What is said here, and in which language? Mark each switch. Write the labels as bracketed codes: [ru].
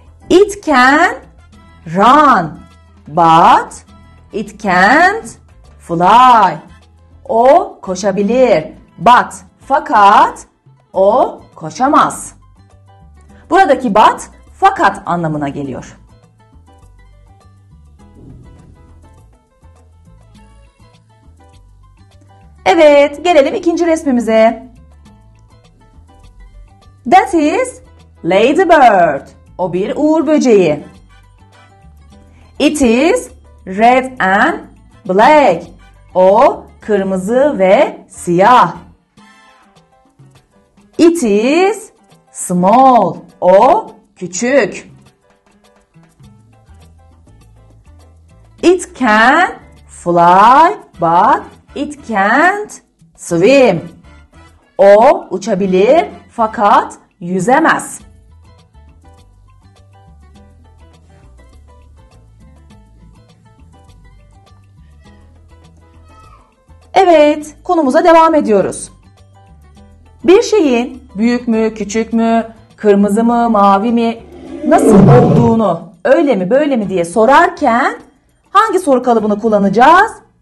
[en] It can run, but it can't fly. [tr] O koşabilir, but fakat o koşamaz. Buradaki but fakat anlamına geliyor. Evet, gelelim ikinci resmimize. [en] That is ladybird. [tr] O bir uğur böceği. [en] It is red and black. [tr] O kırmızı ve siyah. [en] It is small. [tr] O küçük. [en] It can fly but it can't swim. [tr] O uçabilir fakat yüzemez. Evet, konumuza devam ediyoruz. Bir şeyin büyük mü, küçük mü, kırmızı mı, mavi mi, nasıl olduğunu, öyle mi, böyle mi diye sorarken hangi soru kalıbını kullanacağız?